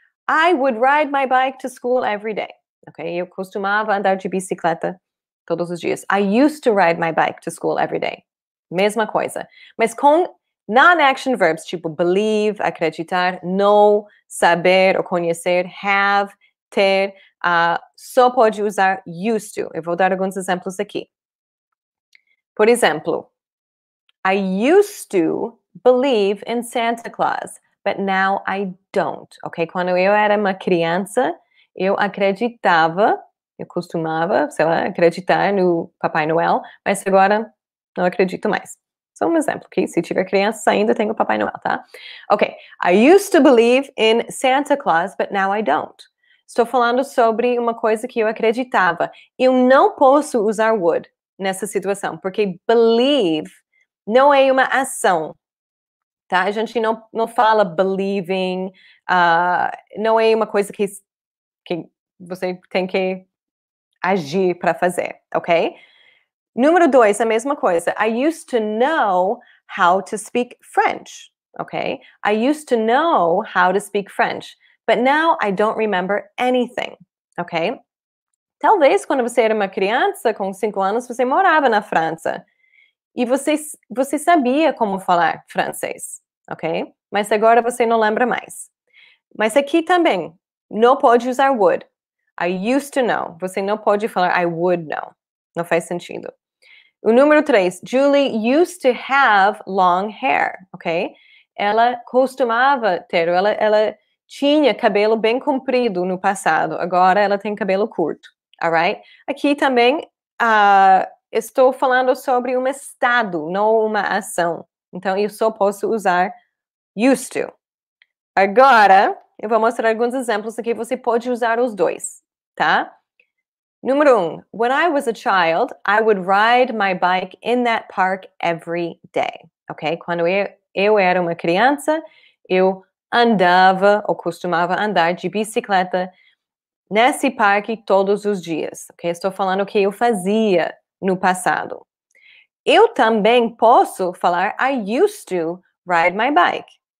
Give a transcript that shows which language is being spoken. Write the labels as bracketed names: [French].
[English] I would ride my bike to school every day. [Portuguese] Okay, eu costumava andar de bicicleta todos os dias. [English] I used to ride my bike to school every day. [Portuguese] Mesma coisa. Mas com non-action verbs, tipo believe, acreditar, know, saber ou conhecer, have, ter, só pode usar used to. Eu vou dar alguns exemplos aqui. Por exemplo, [English] I used to believe in Santa Claus, but now I don't. [Portuguese] Okay, quando eu era uma criança, eu acreditava Eu costumava, sei lá, acreditar no Papai Noel, mas agora não acredito mais. Só um exemplo, que se tiver criança, ainda tenho o Papai Noel, tá? [English] Ok, I used to believe in Santa Claus, but now I don't. [Portuguese] Estou falando sobre uma coisa que eu acreditava. Eu não posso usar would nessa situação, porque believe não é uma ação, tá? A gente não fala believing, não é uma coisa que você tem que agir para fazer, ok? Número dois, a mesma coisa. [English] I used to know how to speak French, ok? I used to know how to speak French, but now I don't remember anything, ok? [Portuguese] Talvez quando você era uma criança, com 5 anos, você morava na França. E você sabia como falar francês, ok? Mas agora você não lembra mais. Mas aqui também, não pode usar would. [English] I used to know. [Portuguese] Você não pode falar I would know. Não faz sentido. O número 3, [English] Julie used to have long hair, [Portuguese] ok? Ela costumava ter, ela tinha cabelo bem comprido no passado. Agora ela tem cabelo curto, [English] all right? [Portuguese] Aqui também, estou falando sobre um estado, não uma ação. Então, eu só posso usar used to. Agora, eu vou mostrar alguns exemplos aqui. Você pode usar os dois, tá? Número 1. [English] When I was a child, I would ride my bike in that park every day. Ok? [Portuguese] Quando eu era uma criança, eu andava, ou costumava andar de bicicleta nesse parque todos os dias. Ok? Estou falando o que eu fazia no passado. Eu também posso falar [English] I used to ride my bike.